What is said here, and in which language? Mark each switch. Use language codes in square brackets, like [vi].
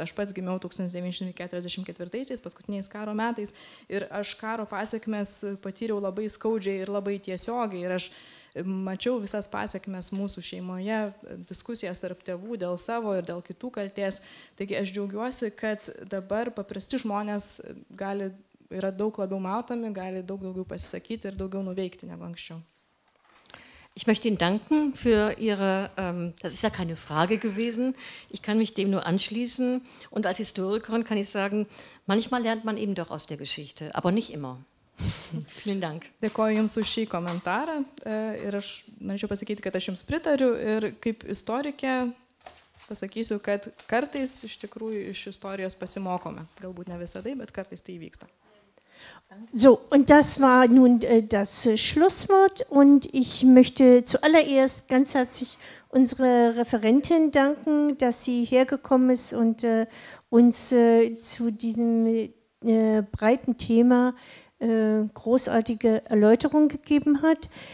[lt] Aš pats gimiau 1944-aisiais, paskutiniais karo metais, ir aš karo pasiekmes patyriau labai skaudžiai ir labai tiesiogiai, ir aš mačiau visas pasiekmes mūsų šeimoje, diskusijas tarp tėvų dėl savo ir dėl kitų kaltės. Taigi aš džiaugiuosi, kad dabar paprasti žmonės gali, yra daug labiau matomi, gali daug daugiau pasisakyti ir daugiau nuveikti negu anksčiau. [de] Ich möchte Ihnen danken für Ihre, das ist ja keine Frage gewesen, ich kann mich dem nur anschließen und als Historikerin kann ich sagen, manchmal lernt man eben doch aus der Geschichte, aber nicht immer. Vielen Dank. [lt] Dėkoju Jums už šį komentarą ir aš norėčiau pasakyti, kad aš Jums pritariu ir kaip istorikė pasakysiu, kad kartais iš tikrųjų iš istorijos pasimokome, galbūt ne visadai, bet kartais tai įvyksta. [de] So, und das war nun das Schlusswort und ich möchte zuallererst ganz herzlich unsere Referentin danken, dass sie hergekommen ist und uns zu diesem breiten Thema großartige Erläuterung gegeben hat.